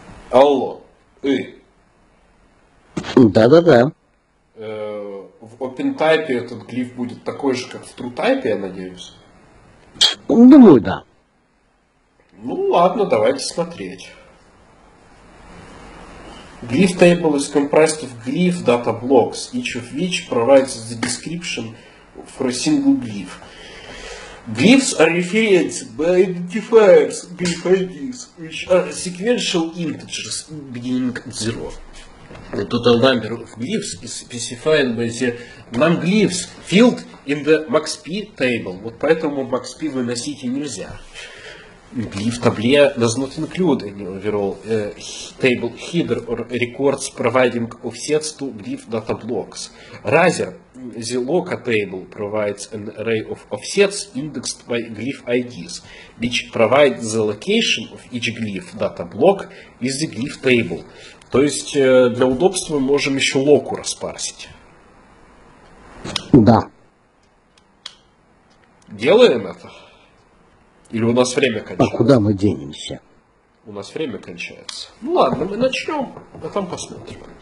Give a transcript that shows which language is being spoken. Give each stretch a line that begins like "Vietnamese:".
Russian: Алло, эй. Да. В OpenType этот глиф будет такой же, как в TrueType, я надеюсь? Думаю, да. Ну ладно, давайте смотреть.
English: Glyph table is comprised of glyph data blocks, each of which provides the description for a single glyph. Glyphs are referenced by identifiers, glyph IDs, which are sequential integers beginning at zero. The total number of glyphs is specified by the nonglyphs field in the maxp table.
Russian: Вот поэтому maxp выносить и нельзя.
English: Glyph table does not include any overall table header or records providing offsets to glyph data blocks. Rather, the loca table provides an array of offsets indexed by glyph IDs, which provide the location of each glyph data block with the glyph table.
Russian: То есть для удобства мы можем еще локу распарсить. Да. Делаем это? Или у нас время кончается? А куда мы денемся? У нас время кончается. Ну ладно, мы начнем, а там посмотрим.